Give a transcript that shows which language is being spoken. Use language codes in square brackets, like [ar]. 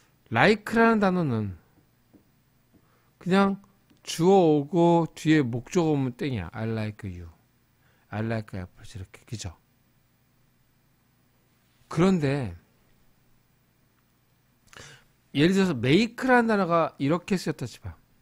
[ko] like라는 단어는 그냥 주어 오고 뒤에 목적어 오면 땡이야. [en] I like you. I like apples [ko] 이렇게 그죠? 그런데 예를 들어서 make라는 단어가 이렇게 쓰였다 치봐.